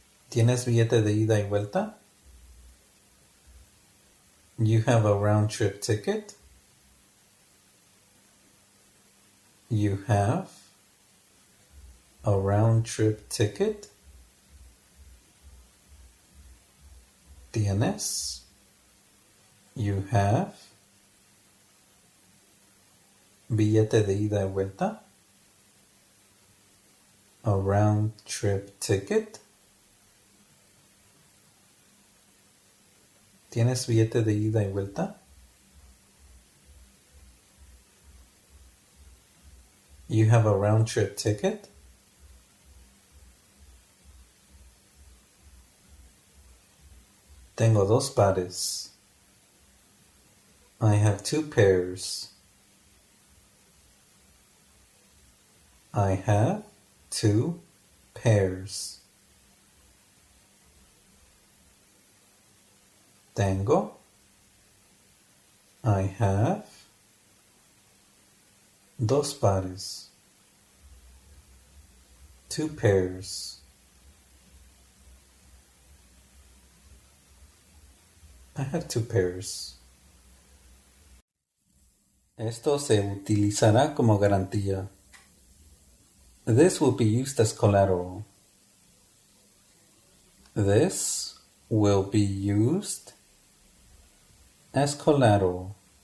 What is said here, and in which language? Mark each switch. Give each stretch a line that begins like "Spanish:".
Spanish: ¿Tienes billete de ida y vuelta?
English: You have a round trip ticket? You have a round trip ticket?
Spanish: ¿Tienes?
English: You have
Spanish: billete de ida y vuelta?
English: A round trip ticket?
Spanish: ¿Tienes billete de ida y vuelta?
English: You have a round trip ticket?
Spanish: Tengo dos pares.
English: I have two pairs. I have two pairs.
Spanish: Tengo,
English: I have,
Spanish: dos pares,
English: two pairs. I have two pairs.
Spanish: Esto se utilizará como garantía.
English: This will be used as collateral. This will be used as collateral.